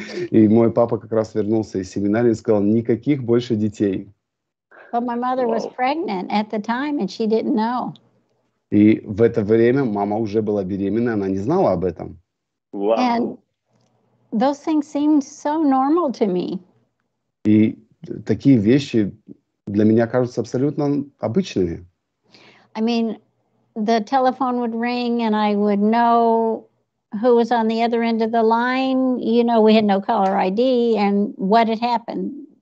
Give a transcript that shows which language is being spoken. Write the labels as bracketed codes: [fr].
[ru] И мой папа как раз вернулся из семинарии и сказал, никаких больше детей. [en] But my mother was pregnant at the time, and she didn't know. [ru] И в это время мама уже была беременна, она не знала об этом. [en] Wow. And those things seemed so normal to me. [ru] И такие вещи для меня кажутся абсолютно обычными. [en] I mean, the telephone would ring, and I would know who was on the other end of the line. You know, we had no caller ID, and what had happened.